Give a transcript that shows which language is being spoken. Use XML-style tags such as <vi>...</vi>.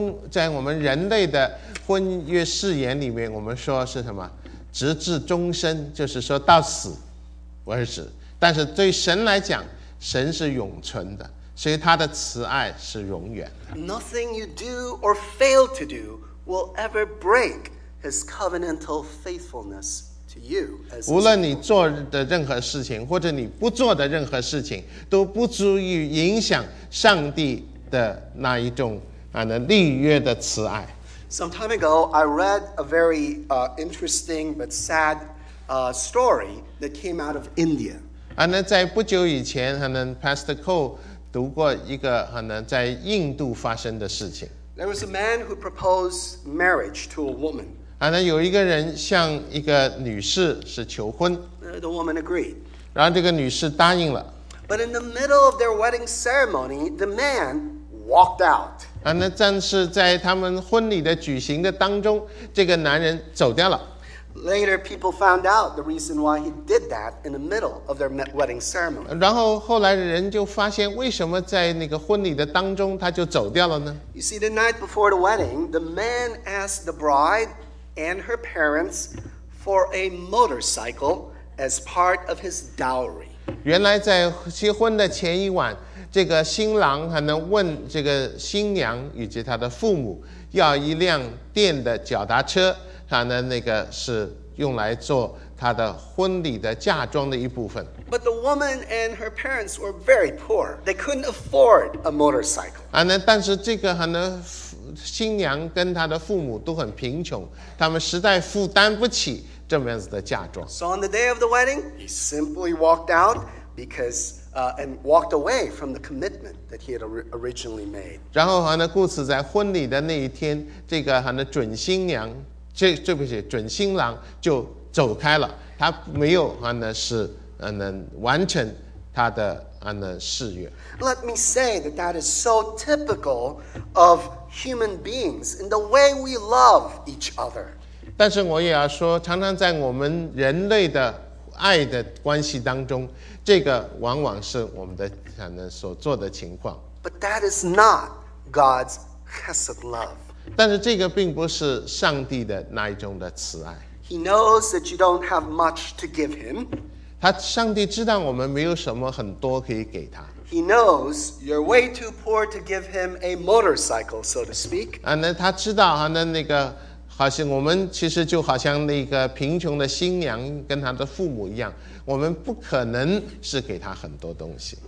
<zh>在我们人类的婚约誓言里面，我们说是什么？直至终身，就是说到死为止。但是对神来讲，神是永存的，所以他的慈爱是永远的。</zh> <en>Nothing you do or fail to do will ever break his covenantal faithfulness to you.</en> <zh>无论你做的任何事情或者你不做的任何事情都不足以影响上帝的那一种立约的慈爱。</zh> <en>Some time ago, I read a very interesting but sad story that came out of India.</en> <zh>在不久以前Pastor Cole 读过一个在印度发生的事情。</zh> <en>There was a man who proposed marriage to a woman.</en> <zh>有一个人向一个女士是求婚。</zh> <en>The woman agreed.</en> <zh>然后这个女士答应了。</zh> <en>But in the middle of their wedding ceremony, the man walked out.</en> <zh>但是在他们婚礼的举行的当中，这个男人走掉了。</zh> <en>Later, people found out the reason why he did that in the middle of their wedding ceremony.</en> <zh>然后后来人就发现为什么在那个婚礼的当中他就走掉了呢？</zh> <en>You see, the night before the wedding, the man asked the bride and her parents for a motorcycle as part of his dowry.</en> <zh>原来在结婚的前一晚，这个新郎问这个新娘以及他的父母要一辆电的脚踏车。那个是用来做他的婚礼的嫁妆的一部分。</zh> <en>But the woman and her parents were very poor. They couldn't afford a motorcycle.</en> <zh>但是这个新娘跟她的父母都很贫穷，他们实在负担不起这么样子的嫁妆。</zh> <en>So on the day of the wedding, he simply walked out because and walked away from the commitment that he had originally made.</en> <zh>然后和那故事在婚礼的那一天，这个和那准新娘，准新郎就走开了，他没有和那是能完成他的和那誓约。</zh> <en>Let me say that that is so typical of human beings in the way we love each other.</en> <zh>但是我也要说，常常在我们人类的爱的关系当中，这个往往是我们的可能所做的情况。</zh> <en>But that is not God's chesed love.</en> <zh>但是这个并不是上帝的那一种的慈爱。</zh> <en>He knows that you don't have much to give him.</en> <zh>他上帝知道我们没有什么很多可以给他。</zh> <en>He knows you're way too poor to give him a motorcycle, so to speak.</en> <zh>那他知道啊，那个。好像我们其实就好像那个贫穷的新娘跟她的父母一样，我们不可能是给她很多东西。</zh>